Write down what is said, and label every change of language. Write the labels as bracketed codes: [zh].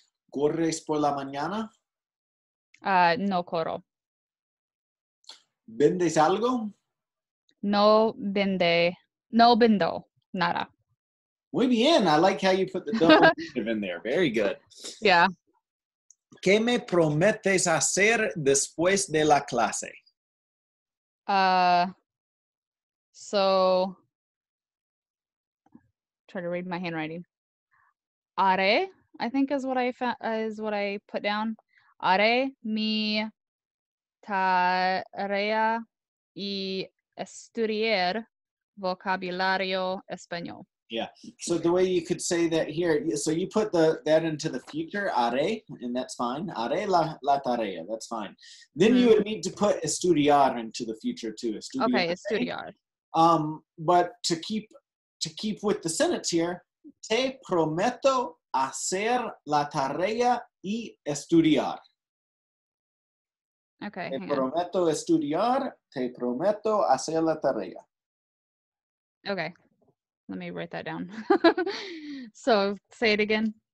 [es] ¿Corres por la mañana? No corro. ¿Vendes algo? No vendo nada. Muy bien. [en] I like how you put the double in there. Very good. Yeah. [es] ¿Qué me prometes hacer después de la clase? [en] So, try to read my handwriting. Haré, I think is what I put down. [es] Haré mi tarea y estudiar vocabulario español. [en] Yeah. So the way you could say that here, so you put that into the future, haré, and that's fine. [es] Haré la tarea, [en] that's fine. Then you would need to put estudiar into the future too. [es] Estudiar. [en] But to keep with the sentence here, [es] te prometo hacer la tarea y estudiar. [en] Okay. [es] Te prometo estudiar, te prometo hacer la tarea. [en] Okay. Let me write that down. So, say it again.